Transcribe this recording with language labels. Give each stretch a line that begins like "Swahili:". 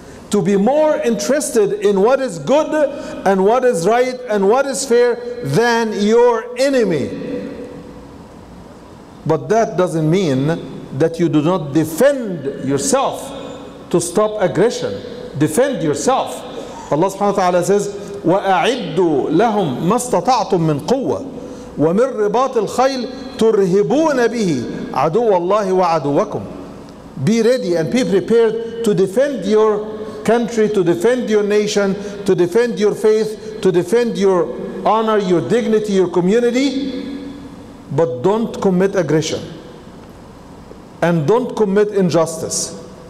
English: To be more interested in what is good and what is right and what is fair than your enemy. But that doesn't mean that you do not defend yourself. To stop aggression, defend yourself. Allah subhanahu wa ta'ala says,
Arabic: وَأَعِدُّوا لَهُمْ مَا اسْتَطَعْتُمْ مِنْ قُوَّةٍ وَمِنْ رِبَاطِ الْخَيْلِ تُرْهِبُونَ بِهِ عَدُوَ اللَّهِ وَعَدُوَكُمْ.
English: Be ready and be prepared to defend your country, to defend your nation, to defend your faith, to defend your honor, your dignity, your community, but don't commit aggression and don't commit injustice.